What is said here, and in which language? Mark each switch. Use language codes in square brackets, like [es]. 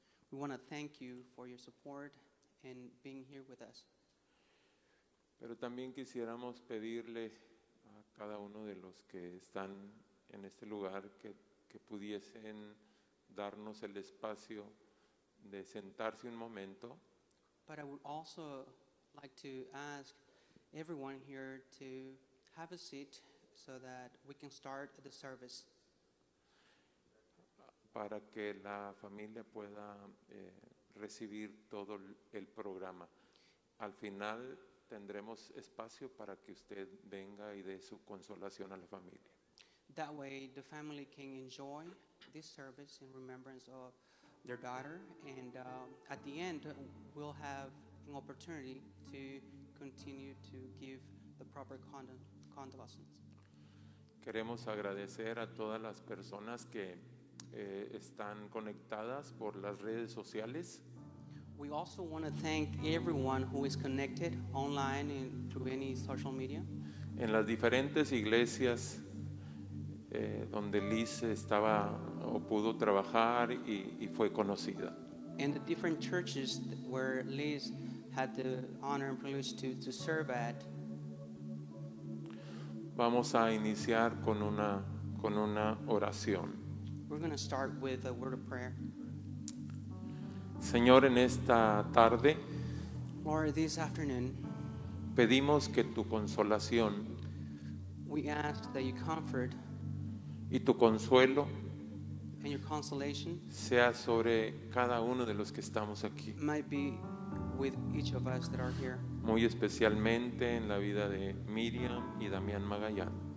[en] We want to thank you for your support and being here with us. [es] Pero también quisiéramos pedirle a cada uno de los que están en este lugar que pudiesen darnos el espacio de sentarse un momento. [en] But I would also like to ask everyone here to have a seat so that we can start the service. [es] Para que la familia pueda recibir todo el programa. Al final tendremos espacio para que usted venga y dé su consolación a la familia. [en] That way the family can enjoy this service in remembrance of their daughter, and at the end we'll have an opportunity to continue to give the proper condolences. [es] Queremos agradecer a todas las personas que están conectadas por las redes sociales. [en] We also want to thank everyone who is connected online and through any social media. [es] En las diferentes iglesias donde Liz estaba o pudo trabajar y fue conocida. [en] In the different churches where Liz had the honor and privilege to serve at. [es] Vamos a iniciar con una oración. [en] We're going to start with a word of prayer. [es] Señor, en esta tarde, [en] Lord, this afternoon, [es] pedimos que tu consolación, [en] we ask that you comfort, [es] y tu consuelo, [en] and your consolation, [es] sea sobre cada uno de los que estamos aquí. [en] Might be with each of us that are here. [es] Muy especialmente en la vida de Miriam y Damián Magallan.